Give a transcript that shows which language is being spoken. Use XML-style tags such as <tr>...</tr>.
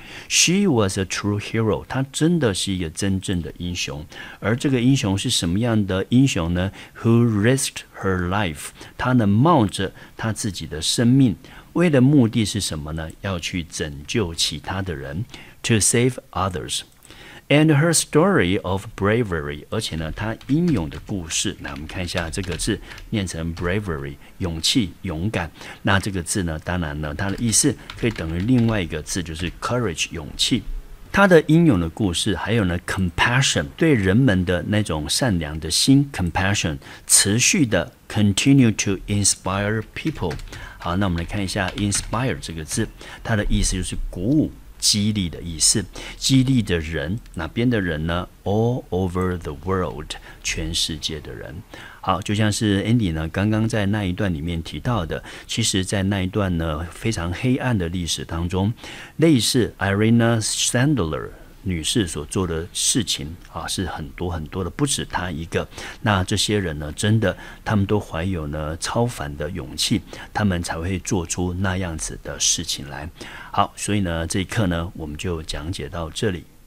<en>She was a true hero，</en> <zh>她真的是一个真正的英雄。而这个英雄是什么样的英雄呢？</zh> <en>Who risked her life，</en> <zh>她呢冒着她自己的生命，为的目的是什么呢？要去拯救其他的人，</zh> <en>to save others。 And her story of bravery，</en> <zh>而且呢她英勇的故事。那我们看一下这个字念成 bravery， 勇气勇敢。那这个字呢当然呢它的意思可以等于另外一个字就是 courage， 勇气。他的英勇的故事，还有呢 compassion， 对人们的那种善良的心 compassion， 持续的</zh> <en>continue to inspire people。</en> <zh>好，那我们来看一下 inspire 这个字，它的意思就是鼓舞激励的意思，激励的人，哪边的人呢？</zh> <en>all over the world，</en> <zh>全世界的人。好，就像是 Andy 呢刚刚在那一段里面提到的，其实在那一段呢非常黑暗的历史当中，类似 Irina Sandler 女士所做的事情啊，是很多很多的，不止她一个。那这些人呢真的他们都怀有呢超凡的勇气，他们才会做出那样子的事情来。好，所以呢这一课呢我们就讲解到这里。</zh>